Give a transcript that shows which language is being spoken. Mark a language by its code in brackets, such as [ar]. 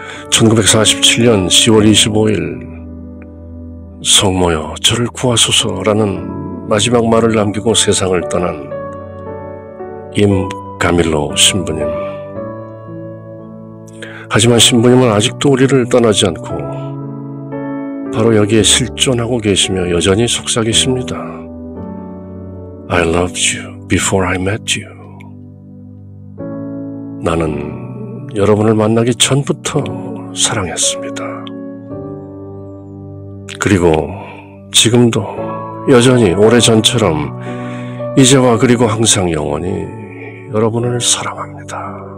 [ko] 1947년 10월 25일 성모여 저를 구하소서라는 마지막 말을 남기고 세상을 떠난 임가밀로 신부님. 하지만 신부님은 아직도 우리를 떠나지 않고 바로 여기에 실존하고 계시며 여전히 속삭이십니다. [en] I loved you before I met you. [ko] 나는 여러분을 만나기 전부터 사랑했습니다. 그리고 지금도 여전히 오래전처럼 이제와 그리고 항상 영원히 여러분을 사랑합니다.